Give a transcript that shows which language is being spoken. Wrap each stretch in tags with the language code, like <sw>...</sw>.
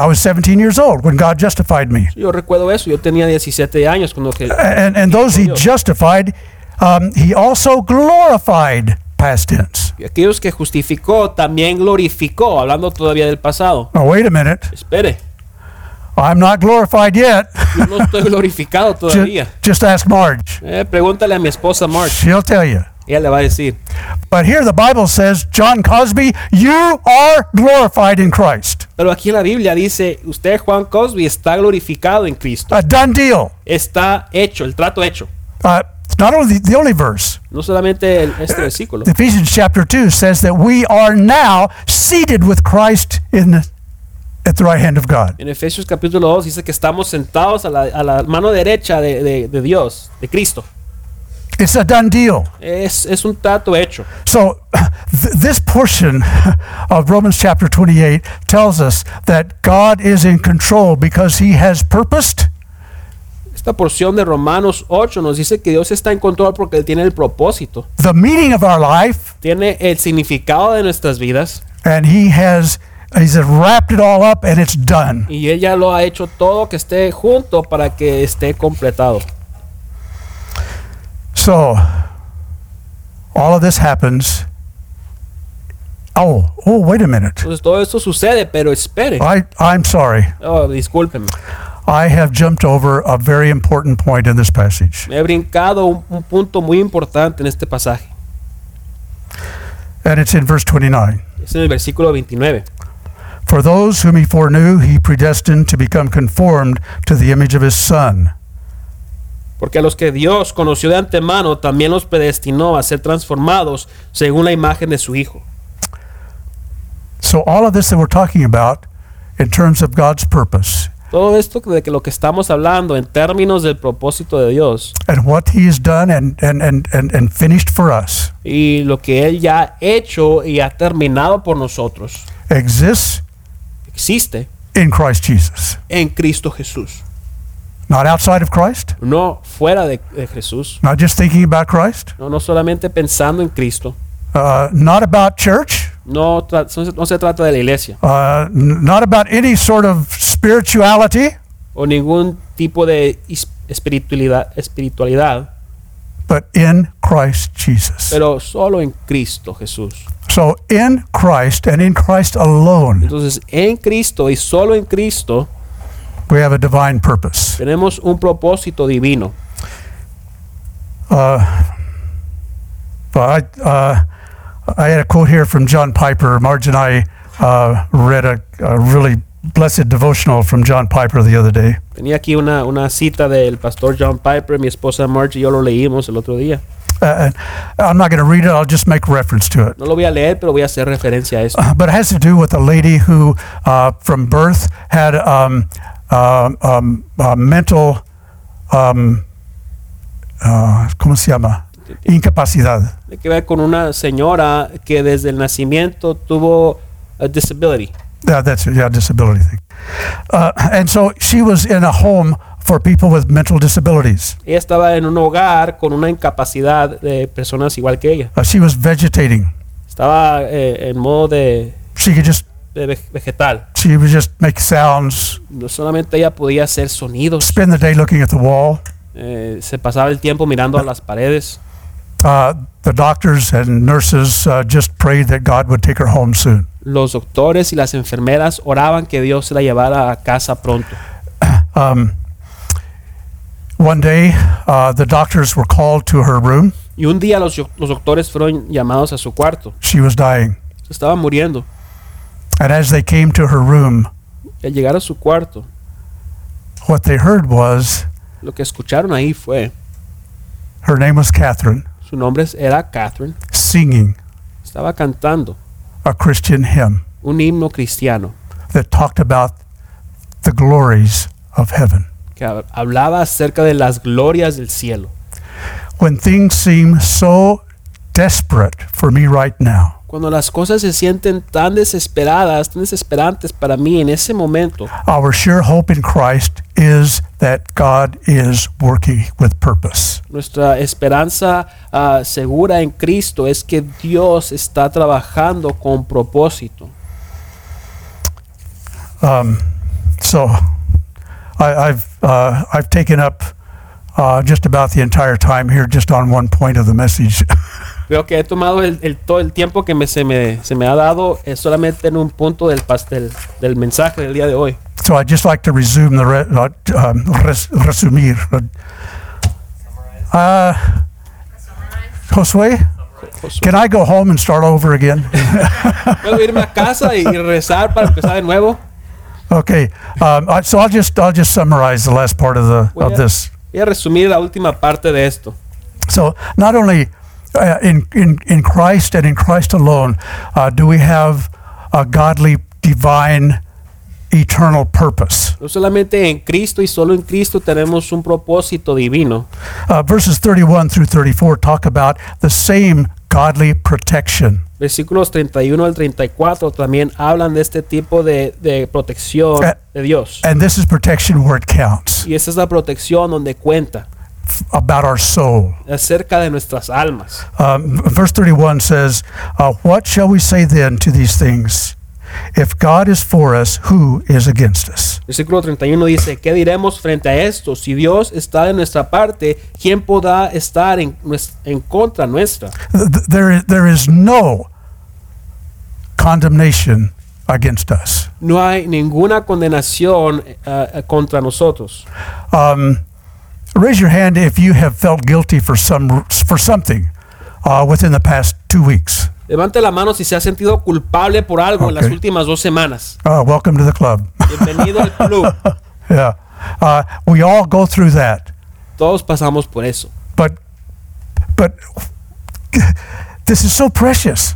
<en>I was 17 years old when God justified me.</en> <es>Yo recuerdo eso. Yo tenía 17 años cuando que.</es> <en>And those he justified, he also glorified, past tense.</en> <es>Y aquellos que justificó también glorificó, hablando todavía del pasado.</es> <en>Oh, wait a minute.</en> <es>Espere.</es> <en>I'm not glorified yet.</en> <es>Yo no estoy glorificado todavía.</es> <en>Just ask Marge.</en> <es>Pregúntale a mi esposa Marge.</es> <en>She'll tell you.</en> <es>Ella le va a decir.</es> <en>But here the Bible says, John Cosby, you are glorified in Christ.</en> <es>Pero aquí en la Biblia dice, usted Juan Cosby está glorificado en Cristo.</es> <en>A done deal.</en> <es>Está hecho, el trato hecho.</es> <en>Not only the only verse.</en> <es>No solamente este versículo.</es> <en>Ephesians chapter 2 says that we are now seated with Christ at the right hand of God.</en> <es>En Efesios capítulo 2 dice que estamos sentados a la mano derecha de Dios, de Cristo.</es> <en>It's a done deal.</en> <es>Es un trato hecho.</es> <en>So this portion of Romans chapter 28 tells us that God is in control because he has purposed.</en> <es>Esta porción de Romanos 8 nos dice que Dios está en control porque él tiene el propósito.</es> <en>The meaning of our life.</en> <es>Tiene el significado de nuestras vidas.</es> <en>And he's wrapped it all up and it's done.</en> <es>Y él ya lo ha hecho todo que esté junto para que esté completado.</es> <en>So, all of this happens. Oh, wait a minute.</en> <es>Pues todo esto sucede, pero espere.</es> <en>I'm sorry.</en> <es>Oh, discúlpeme.</es> <en>I have jumped over a very important point in this passage.</en> <es>Me he brincado un punto muy importante en este pasaje.</es> <en>And it's in verse 29.</en> <es>Es en el versículo 29.</es> <en>For those whom he foreknew, he predestined to become conformed to the image of his son.</en> <es>Porque a los que Dios conoció de antemano, también los predestinó a ser transformados según la imagen de su Hijo.</es> <en>So all of this that we're talking about in terms of God's purpose.</en> <es>Todo esto de que lo que estamos hablando en términos del propósito de Dios.</es> <en>And what he has done and finished for us.</en> <es>Y lo que él ya ha hecho y ha terminado por nosotros.</es> <en>Exists.</en> <es>Existe.</es> <en>In Christ Jesus.</en> <es>En Cristo Jesús.</es> <en>Not outside of Christ.</en> <es>No fuera de Jesús.</es> <en>Not just thinking about Christ.</en> <es>No solamente pensando en Cristo.</es> <en>Not about church.</en> <es>No se trata de la iglesia.</es> <en>Not about any sort of spirituality.</en> <es>O ningún tipo de espiritualidad.</es> <en>But in Christ Jesus.</en> <es>Pero solo en Cristo Jesús.</es> <en>So in Christ and in Christ alone.</en> <es>Entonces en Cristo y solo en Cristo.</es> <en>We have a divine purpose.</en> <es>Tenemos un propósito divino.</es> <en>I had a quote here from John Piper. Marge and I read a really blessed devotional from John Piper the other day.</en> <es>Tenía aquí una cita del pastor John Piper. Mi esposa Marge y yo lo leímos el otro día.</es> <en>I'm not going to read it. I'll just make reference to it.</en> <es>No lo voy a leer, pero voy a hacer referencia a esto.</es> <en>But it has to do with a lady who, from birth, had a mental,</en> <es>¿cómo se llama? incapacidad. Tiene que ver con una señora que desde el nacimiento tuvo</es> <en>a disability. Disability thing. And so she was in a home for people with mental disabilities.</en> <es>Ella estaba en un hogar con una incapacidad de personas igual que ella.</es> <en>She was vegetating.</en> <es>Estaba en modo de</es> <en>she could just</en> <es>vegetal.</es> <en>She would just make sounds.</en> <es>No solamente ella podía hacer sonidos.</es> <en>Spend the day looking at the wall.</en> <es>Se pasaba el tiempo mirando a las paredes.</es> <en>The doctors and nurses just prayed that God would take her home soon.</en> <es>Los doctores y las enfermeras oraban que Dios se la llevara a casa pronto.</es> <en>One day, the doctors were called to her room.</en> <es>Y un día los doctores fueron llamados a su cuarto.</es> <en>She was dying.</en> <es>Se estaba muriendo.</es> <en>And as they came to her room,</en> <es>y al llegar a su cuarto,</es> <en>what they heard was,</en> <es>lo que escucharon ahí fue,</es> <en>her name was Catherine.</en> <es>Su nombre era Catherine.</es> <en>Singing.</en> <es>Estaba cantando.</es> <en>A Christian hymn.</en> <es>Un himno cristiano.</es> <en>That talked about the glories of heaven.</en> <es>Que hablaba acerca de las glorias del cielo.</es> <en>When things seem so desperate for me right now.</en> <es>Cuando las cosas se sienten tan desesperadas, tan desesperantes para mí en ese momento.</es> <en>Our sure hope in Christ is that God is working with purpose.</en> <es>Nuestra esperanza segura en Cristo es que Dios está trabajando con propósito.</es> <en>So I've taken up just about the entire time here just on one point of the message.</en> <es>Veo que he tomado el todo el tiempo que se me ha dado es solamente en un punto del pastel del mensaje del día de hoy.</es> <en>So I'd just like to resume the resumir. Josué, can I go home and start over again?</en> <es>¿Puedo irme a casa y rezar para empezar de nuevo?</es> <en>Okay. So I'll just summarize the last part of this.</en> <es>Voy a resumir la última parte de esto.</es> <en>So not only in Christ and in Christ alone do we have a godly, divine, eternal purpose.</en> <es>No solamente en Cristo y solo en Cristo tenemos un propósito divino.</es> <en>Verses 31 through 34 talk about the same godly protection.</en> <es>Versículos 31 al 34 también hablan de este tipo de protección de Dios.</es> <en>And this is protection where it counts.</en> <es>Y esa es la protección donde cuenta.</es> <en>About our soul.</en> <es>Acerca de nuestras almas.</es> <en>Verse 31 says, what shall we say then to these things? If God is for us, who is against us?</en> <es>Versículo 31 dice, ¿qué diremos frente a esto? Si Dios está de nuestra parte, ¿quién podrá estar en contra nuestra?</es> <en>There is no condemnation against us.</en> <es>No hay ninguna condenación contra nosotros.</es> <en>Raise your hand if you have felt guilty for something within the past 2 weeks.</en> <es>Levante la mano si se ha sentido culpable por algo okay. En las últimas dos semanas.</es> <en>Welcome to the club.</en> <es>Bienvenido al club.</es> <en>Yeah. We all go through that.</en> <es>Todos pasamos por eso.</es> <en>But this is so precious.</en>